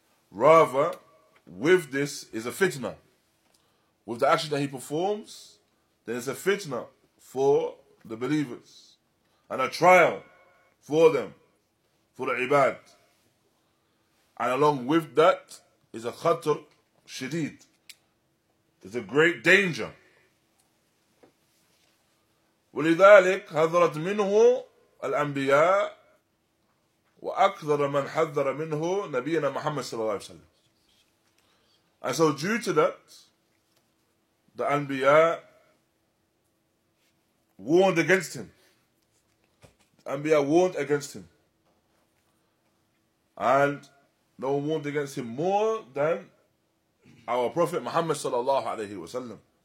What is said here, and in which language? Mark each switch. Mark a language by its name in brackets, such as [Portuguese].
[English] Rather, with this is a fitna. With the action that he performs, then it's a fitna for the believers. And a trial for them, for the ibad. And along with that is a khatr shadid. It's a great danger. [Arabic] ولذلك حذرت منه الأنبياء وأكثر من حذر منه نبينا محمد صلى الله عليه وسلم. [English] And so due to that, the Anbiya warned against him. The Anbiya warned against him. And no one warned against him more than our Prophet Muhammad sallallahu alayhi wa sallam.